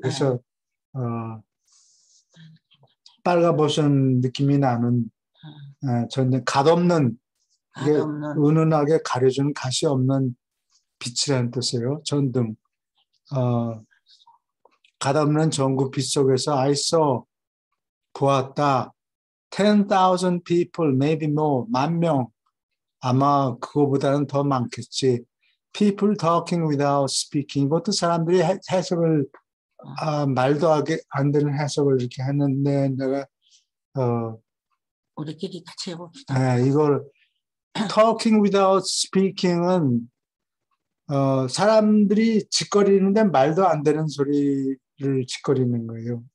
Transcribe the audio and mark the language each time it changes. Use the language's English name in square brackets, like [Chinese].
[Korean] 그래서 빨가벗은 느낌이 나는. 전혀 갓 없는, 이게 없는 은은하게 가려주는 갓이 없는 빛이라는 뜻이에요. 전등. 갓 없는 전구 빛 속에서 [English] I saw, [Korean] 보았다. [English] 10,000 people, maybe more, [Korean] 만 명. 아마 그거보다는 더 많겠지. [English] People talking without speaking. [Korean] 이것도 사람들이 해석을, 말도 하게 안 되는 해석을 이렇게 했는데, 내가, 우리끼리 같이 해봅시다. 네, 이걸 [English] talking without speaking [Korean] 은 사람들이 짓거리는데 말도 안 되는 소리를 짓거리는 거예요.